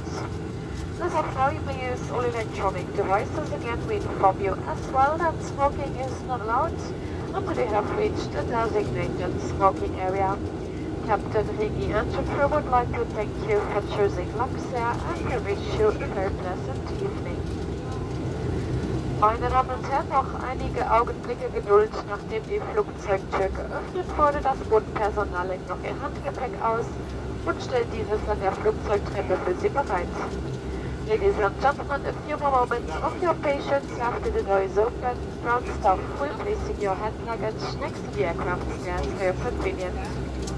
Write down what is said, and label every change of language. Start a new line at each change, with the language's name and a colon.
English: As of now, you may use all electronic devices. Again, we inform you as well that smoking is not allowed, and we have reached the designated smoking area. Captain Rigi and the crew would like to thank you for choosing Luxair, and we wish you a very pleasant evening.
German: Meine Damen und Herren, noch einige Augenblicke Geduld, nachdem die Flugzeugtür geöffnet wurde, das Bodenpersonal legt noch ihr Handgepäck aus und stellt dieses an der Flugzeugtreppe für Sie bereit.
English: Ladies and gentlemen, a few more moments of your patience after the door is open. Ground staff will be placing your hand luggage next to the aircraft stairs for your convenience.